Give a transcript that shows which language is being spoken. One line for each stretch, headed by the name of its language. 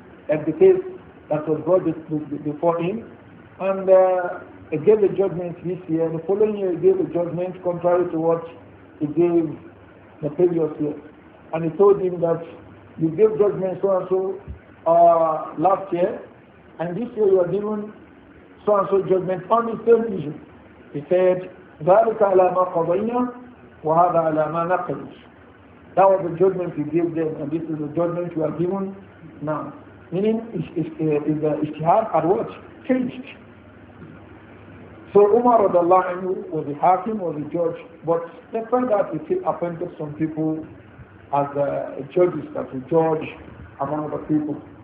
English: And the case that was brought before him, and he gave a judgment this year, and the following year he gave a judgment contrary to what he gave the previous year. And he told him that You gave judgment so and so last year, and this year you are given so and so judgment on the same issue. He said,
Arabic: ذلك على ما قضينا وهذا على ما نقضي.
English: That was the judgment you gave them, and this is the judgment you are given now. Meaning, is the ijtihad at what? Changed. So Umar radiallahu anhu was the hakim, was the judge, but the fact that he still appointed some people as judges, as a judge among the people.